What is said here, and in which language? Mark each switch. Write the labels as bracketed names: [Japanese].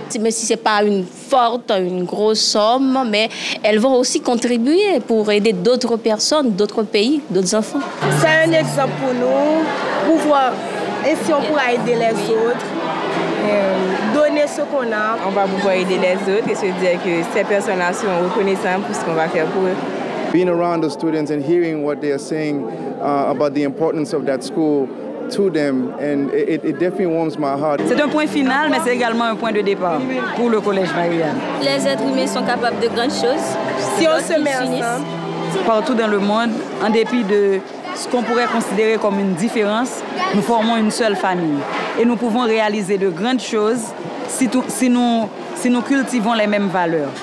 [French] Même si ce n'est pas une forte, une grosse somme, mais elles vont aussi contribuer pour aider d'autres personnes, d'autres pays, d'autres enfants. C'est un exemple pour nous, pour voir si on pourra aider les autres, donner ce qu'on a. On va pouvoir aider les autres et se dire que ces personnes-là sont reconnaissantes pour ce qu'on va faire pour eux. [English] Being around the students and hearing what they are saying about the importance of that school, to them and it definitely warms my heart. [French] C'est un point final mais c'est également un point de départ pour le collège Marianne. Les êtres humains sont capables de grandes choses si on se met ensemble. Partout dans le monde, en dépit de ce qu'on pourrait considérer comme une différence, nous formons une seule famille et nous pouvons réaliser de grandes choses si nous cultivons les mêmes valeurs.